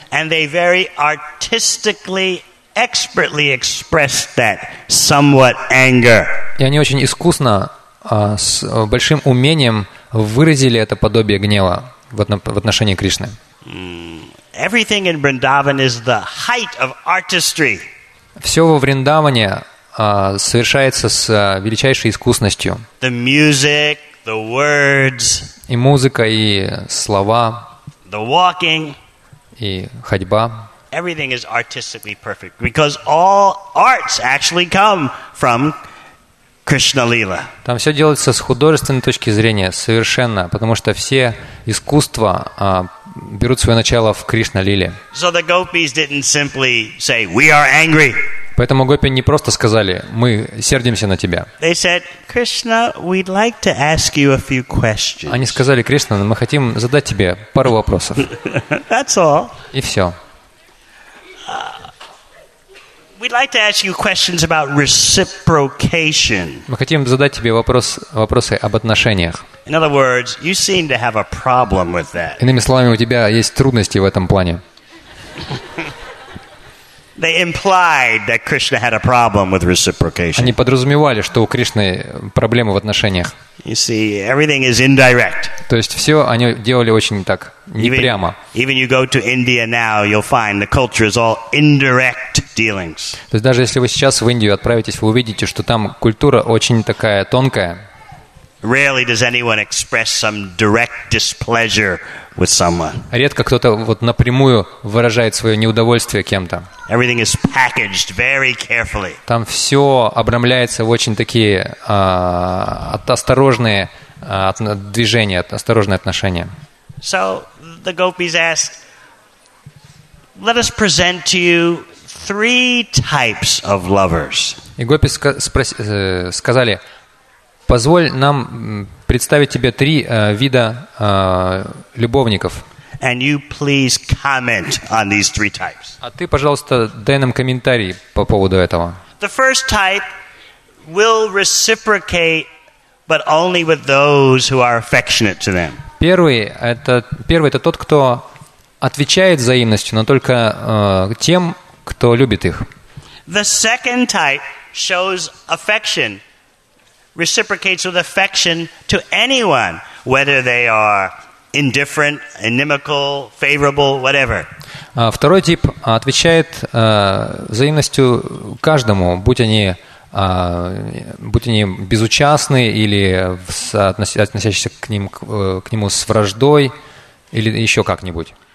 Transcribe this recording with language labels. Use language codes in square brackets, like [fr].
[en] And they very artistically expertly expressed that somewhat anger. [ru] И они очень искусно, с большим умением выразили это подобие гнева в отношении Кришны. [en] Everything in Vrindavan is the height of artistry. [ru] Все во Вриндаване совершается с величайшей искусностью. [en] The music, the words, [ru] и музыка, и слова, [en] the walking, [ru] и ходьба. [en] everything is artistically perfect because all arts actually come from Krishna Lila. [ru] Там все делается с художественной точки зрения совершенно, потому что все искусства берут свое начало в Кришна Лиле. [en] So the gopis didn't simply say, "We are angry." [ru] Поэтому гопи не просто сказали: «Мы сердимся на тебя». [en] They said, "Krishna, we'd like to ask you a few questions." [ru] Они сказали: «Кришна, мы хотим задать тебе пару вопросов». [en] That's all. [ru] И все. [en] We'd like to ask you questions about reciprocation. [ru] Мы хотим задать тебе вопросы об отношениях. [en] In other words, you seem to have a problem with that. [ru] Иными словами, у тебя есть трудности в этом плане. [en] They implied that Krishna had a problem with reciprocation. [ru] Они подразумевали, что у Кришны проблемы в отношениях. [en] You see, everything is indirect. [ru] То есть все они делали очень так, непрямо. [en] Even you go to India now, you'll find the culture is all indirect dealings. [ru] То есть даже если вы сейчас в Индию отправитесь, вы увидите, что там культура очень такая тонкая. [en] Rarely does anyone express some direct displeasure with someone. [ru] Редко кто-то вот напрямую выражает свое неудовольствие кем-то. [en] Everything is packaged very carefully. [ru] Там все обрамляется в очень такие осторожные движения, осторожные отношения. [en] So the gopis asked, "Let us present to you three types of lovers." [ru] И гопи сказали: позволь нам представить тебе три вида любовников. [en] And you please comment on these three types. [ru] А ты, пожалуйста, дай нам комментарий по поводу этого. [en] The first type will reciprocate, but only with those who are affectionate to them. [ru] Первый это тот, кто отвечает взаимностью, но только тем, кто любит их. [en] The second type shows affection. Reciprocates with affection to anyone, whether they are indifferent, inimical, favorable, whatever. [ru] Второй тип отвечает взаимностью каждому, будь они безучастны или относящиеся к нему с враждой или еще как-нибудь.